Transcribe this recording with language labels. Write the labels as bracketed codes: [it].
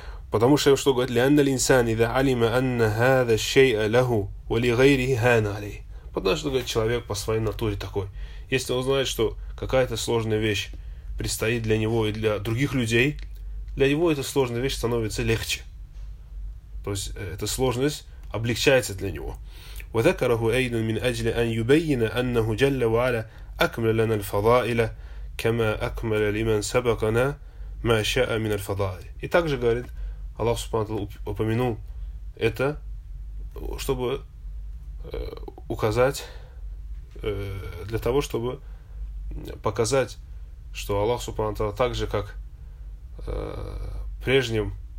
[ar] Потому что, что говорит, لِأَنَّ الْإِنسَانِ إِذَا عَلِمَ أَنَّ هَذَا الشَّيْءَ لَهُ وَلِغَيْرِهِ هَانَ عَلَيْهِ. [ru] Потому что, говорит, человек по своей натуре такой. Если он знает, что какая-то сложная вещь предстоит для него и для других людей, для него эта сложная вещь становится легче. То есть эта сложность облегчается для него. [ar] وذكره أيضا من أجل أن يبين أنه جل وعلا أكمل لنا الفضائل كما أكمل لمن سبقنا ما شاء من الفضائل. [ru] И также говорит, Аллах Субханаху Тааля упомянул это, чтобы указать, для того, чтобы показать, что Аллах Субханаху Тааля так же, как прежним